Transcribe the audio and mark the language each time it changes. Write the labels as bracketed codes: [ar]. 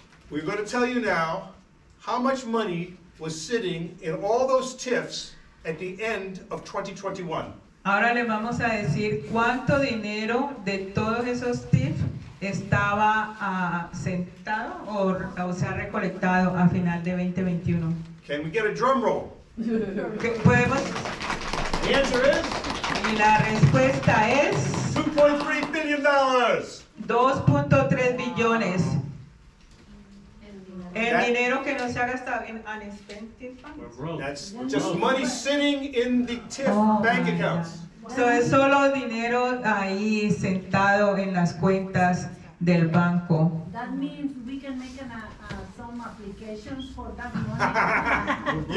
[en] We're going to tell you now how much money was sitting in all those TIFs at the end of 2021. [es] Ahora les vamos a decir cuánto dinero de todos esos TIFs estaba sentado o se ha recolectado a final de 2021. [en] Can we get a drum roll? [es] ¿Podemos? [en] The answer is? [es] Y la respuesta es [en] $2.3 billion. [es] 2.3 billones. El dinero que no se ha gastado en unspent. [en] That's just money sitting in the TIF bank accounts. [es] So es solo dinero ahí sentado en las cuentas del banco. [en] That means we can make some applications for that money.